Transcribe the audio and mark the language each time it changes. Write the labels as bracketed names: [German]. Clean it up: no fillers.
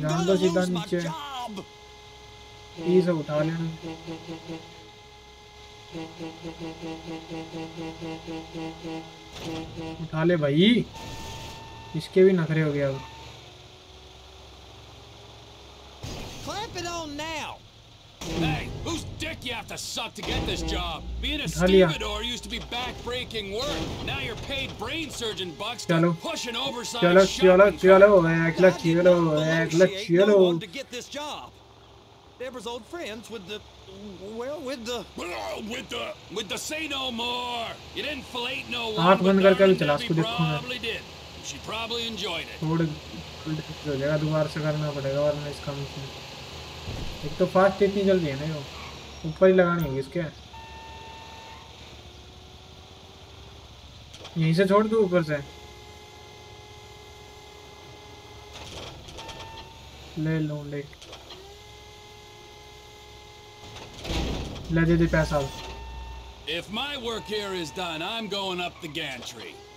[Hindi] जान दो सीधा नीचे से उठा लेना। उठा ले भाई, इसके भी नखरे हो गया। [English] Clamp it on now. Hey, whose dick you have to suck to get this job? Being a stevedore used to be back-breaking work. Now you're paid brain surgeon bucks to push an oversized chalo. To get this job. Deborah's old friends with the, well, with the say no more. You didn't fillet no one. She probably did. She probably enjoyed it. [Hindi] एक तो fast इतनी जल्दी है ना, ये ऊपर ही लगानी होगी इसके, यहीं से छोड़ दो ऊपर से ले लो, ले ले दे दे पैसा। [English] If my work here is done, I'm going up the gantry.